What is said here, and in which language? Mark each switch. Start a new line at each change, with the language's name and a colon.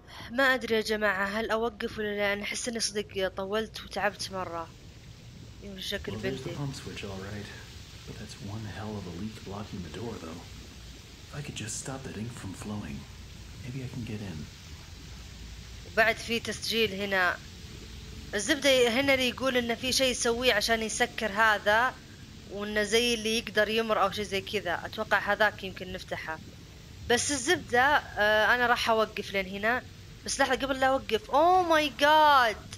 Arabic: ما أدري يا جماعة هل أوقف ولا لا، أنا أحس إني صدق طولت وتعبت مرة. يوم شكل
English: well, there's the pump switch, all right. But that's one hell of a leak blocking the door, though. If I could just stop that ink from flowing, maybe I can get in.
Arabic: وبعد في تسجيل هنا. الزبدة هنا اللي يقول إن في شيء يسويه عشان يسكر هذا، وإن زي اللي يقدر يمر أو شيء زي كذا. أتوقع هذاك يمكن نفتحه. بس الزبدة أنا راح أوقف لين هنا. بس لحظة قبل لا أوقف.
English: Oh my God!